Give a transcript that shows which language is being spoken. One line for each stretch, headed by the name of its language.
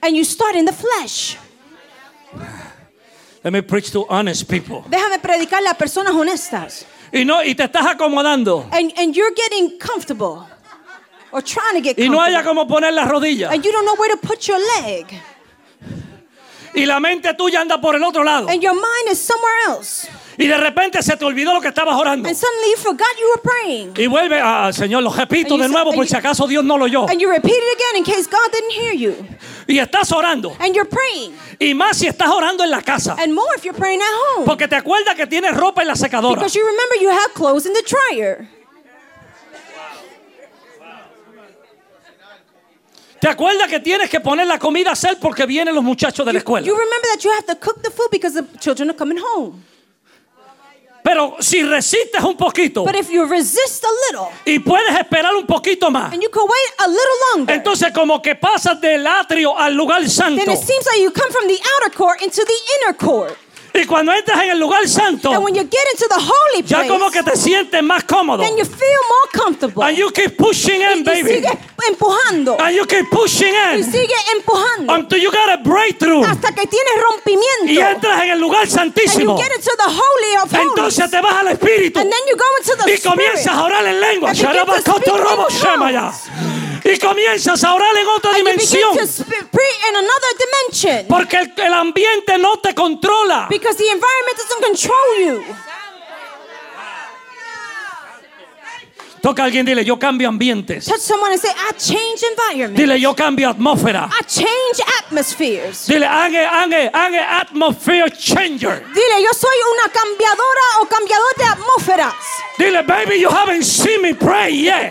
English: And you start in the flesh. Let me preach to honest people.
Spanish: Déjame predicarle a personas honestas. Y no, y te estás acomodando.
English: And you're getting comfortable. Or trying to get comfortable.
Spanish: Y no haya como poner las rodillas.
English: And you don't know where to put your leg.
Spanish: Y la mente tuya anda por el otro lado.
English: And your mind is somewhere else.
Spanish: Y de repente se te olvidó lo que estabas orando.
English: And suddenly you forgot you were praying.
Spanish: Y vuelve al Señor, lo repito de nuevo por si acaso Dios no lo oyó.
English: And you repeat it again in case God didn't hear you.
Spanish: Y estás orando.
English: And you're praying.
Spanish: Y más si estás orando en la casa.
English: And more if you're praying at home.
Spanish: Porque te acuerdas que tienes ropa en la secadora.
English: Because you remember you have clothes in the dryer.
Spanish: ¿Te acuerdas que tienes que poner la comida a hacer porque vienen los muchachos de la escuela?
English: You remember that you have to cook the food because the children are coming home.
Spanish: Pero si resistes un poquito,
English: but if you resist a little,
Spanish: y puedes esperar un poquito más,
English: and you can wait a little longer,
Spanish: entonces como que pasas del atrio al lugar santo,
English: then it seems like you come from the outer court into the inner court.
Spanish: Y cuando entras en el lugar santo,
English: and when you get into the holy place,
Spanish: ya como que te sientes más cómodo,
English: then you feel more comfortable, and you keep pushing in, baby,
Spanish: y sigue empujando,
English: and you keep pushing in,
Spanish: y sigue empujando,
English: until you got a breakthrough,
Spanish: hasta que tienes rompimiento, y entras en el lugar santísimo,
English: and you get into the holy of holies,
Spanish: entonces te vas al espíritu,
English: and then you go into the spirit,
Spanish: y comienzas a orar en lengua,
English: and you begin to speak in tongues,
Spanish: y comienzas a orar en otra dimensión,
English: in another dimension,
Spanish: porque el ambiente no te controla.
English: Because the environment doesn't control you.
Spanish: Toca alguien, dile, yo cambio ambientes.
English: Touch someone and say, I change environments.
Spanish: Dile, yo cambio atmósfera.
English: I change atmospheres.
Spanish: Dile,
English: I'm an atmosphere changer.
Spanish: Dile, yo soy una cambiadora o cambiador de atmósferas. Dile,
English: baby, you haven't seen me pray yet.